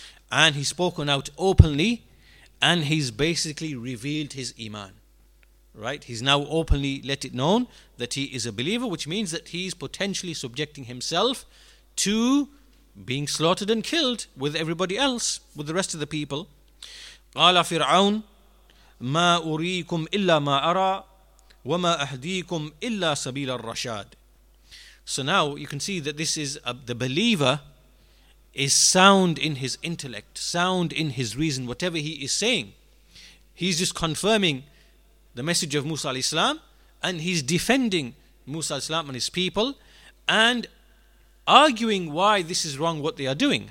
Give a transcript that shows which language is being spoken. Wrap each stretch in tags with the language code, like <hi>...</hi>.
<en>And he's spoken out openly, and he's basically revealed his iman. Right? He's now openly let it known that he is a believer, which means that he's potentially subjecting himself to being slaughtered and killed with everybody else, with the rest of the people.</en> <ar>قال فرعون ما أريكم إلا ما أرى وما أهديكم إلا سبيل الرشاد.</ar> <en>So now you can see that this is the believer is sound in his intellect, sound in his reason, whatever he is saying. He's just confirming the message of Musa alayhi salam, and he's defending Musa alayhi salam and his people, and arguing why this is wrong, what they are doing.</en>